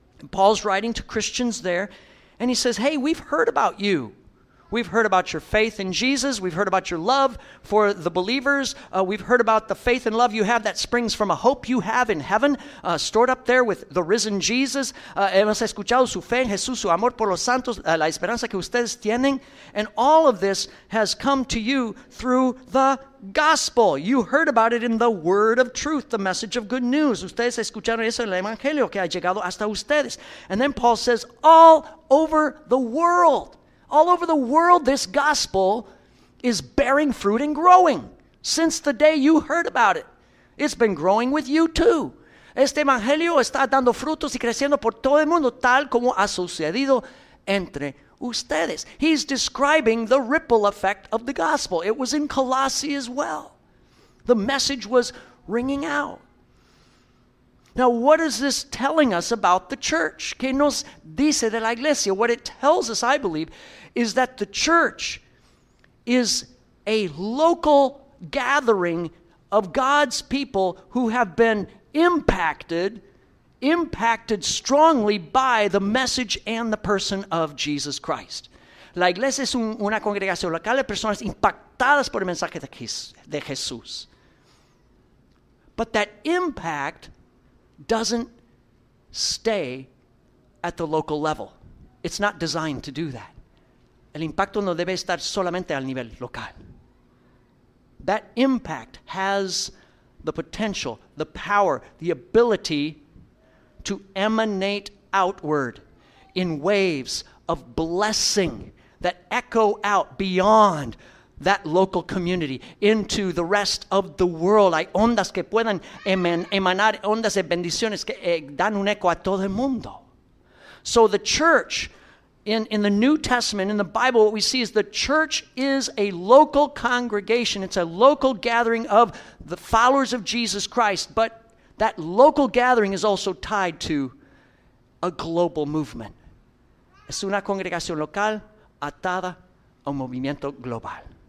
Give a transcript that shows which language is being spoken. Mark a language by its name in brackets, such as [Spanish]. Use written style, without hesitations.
[English] Paul's writing to Christians there, and he says, hey, we've heard about you. We've heard about your faith in Jesus. We've heard about your love for the believers. We've heard about the faith and love you have that springs from a hope you have in heaven, stored up there with the risen Jesus. [Spanish] Hemos escuchado su fe en Jesús, su amor por los santos, la esperanza que ustedes tienen. [English] And all of this has come to you through the gospel. You heard about it in the word of truth, the message of good news. [Spanish] Ustedes escucharon eso en el evangelio que ha llegado hasta ustedes. [English] And then Paul says, all over the world. All over the world, this gospel is bearing fruit and growing since the day you heard about it. It's been growing with you too. [Spanish] Este evangelio está dando frutos y creciendo por todo el mundo tal como ha sucedido entre ustedes. [English] He's describing the ripple effect of the gospel. It was in Colossae as well. The message was ringing out. Now, what is this telling us about the church? [Spanish] ¿Qué nos dice de la iglesia? [English] What it tells us, I believe, is that the church is a local gathering of God's people who have been impacted strongly by the message and the person of Jesus Christ. [Spanish] La iglesia es una congregación local de personas impactadas por el mensaje de Jesús. [English] But that impact doesn't stay at the local level. It's not designed to do that. [Spanish] El impacto no debe estar solamente al nivel local. [English] That impact has the potential, the power, the ability to emanate outward in waves of blessing that echo out beyond that local community into the rest of the world. [Spanish] Hay ondas que puedan emanar, ondas de bendiciones que dan un eco a todo el mundo. [English] So the church in the New Testament, in the Bible, what we see is the church is a local congregation. It's a local gathering of the followers of Jesus Christ. But that local gathering is also tied to a global movement. [Spanish] Es una congregación local atada a un movimiento global.